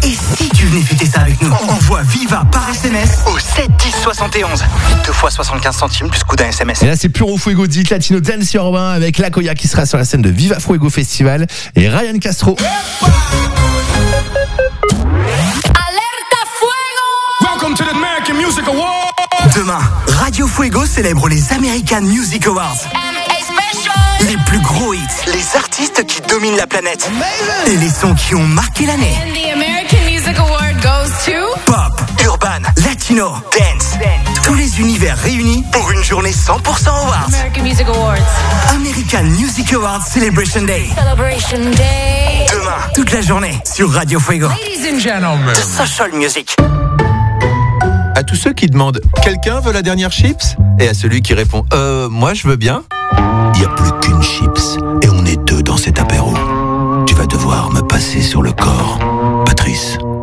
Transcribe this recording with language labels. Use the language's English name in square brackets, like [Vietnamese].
[French] Et si tu venais fêter ça avec nous, envoie Viva par SMS au 7-10-71. 2 fois 75 centimes plus coût d'un SMS. Et là c'est Puro Fuego, dit Latino Dance Urbain avec La Coya qui sera sur la scène de Viva Fuego Festival et Ryan Castro. [Spanish] Alerta Fuego! [English] Welcome to the American Music Awards! [French] Demain, Radio Fuego célèbre les American Music Awards. Les plus gros hits, les artistes qui dominent la planète. [English] Amazing. [French] Et les sons qui ont marqué l'année. [English] And the American Music Award goes to... [French] Pop, urban, latino, dance. Tous les univers réunis pour une journée 100% awards. [English] American Music Awards. American Music Awards Celebration Day. Celebration Day. [French] Demain, toute la journée, sur Radio Fuego. [English] Ladies and gentlemen. The Social Music. [French] À tous ceux qui demandent « Quelqu'un veut la dernière chips ?» Et à celui qui répond « Moi je veux bien ?» Il n'y a plus qu'une chips et on est deux dans cet apéro. Tu vas devoir me passer sur le corps, Patrice.